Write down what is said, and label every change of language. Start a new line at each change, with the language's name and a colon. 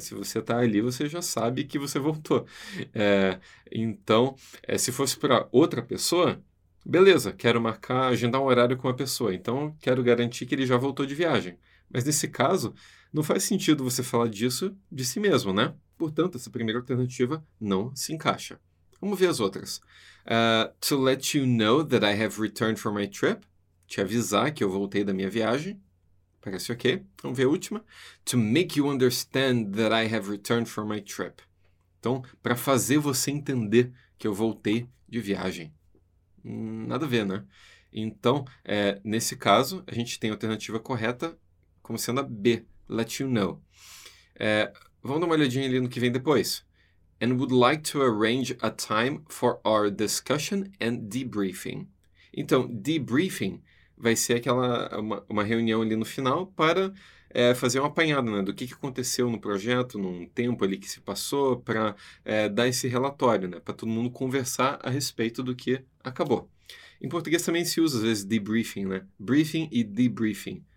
Portuguese: Se você está ali, você já sabe que você voltou. Então, se fosse para outra pessoa. Beleza, quero marcar, agendar um horário com a pessoa. Então, quero garantir que ele já voltou de viagem. Mas nesse caso, não faz sentido você falar disso de si mesmo, né? Portanto, essa primeira alternativa não se encaixa. Vamos ver as outras.
English: To let you know that I have returned from my trip.
Portuguese: Te avisar que eu voltei da minha viagem. Parece ok. Vamos ver a última.
English: To make you understand that I have returned from my trip.
Portuguese: Então, para fazer você entender que eu voltei de viagem. Nada a ver, né? Então, nesse caso, a gente tem a alternativa correta como sendo a B,
English: let you know.
Portuguese: Vamos dar uma olhadinha ali no que vem depois.
English: And would like to arrange a time for our discussion and debriefing.
Portuguese: Então, debriefing vai ser uma reunião ali no final para fazer uma apanhada, né, do que aconteceu no projeto, num tempo ali que se passou, para dar esse relatório, né, para todo mundo conversar a respeito do que acabou. Em português também se usa às vezes debriefing, né? Briefing e debriefing.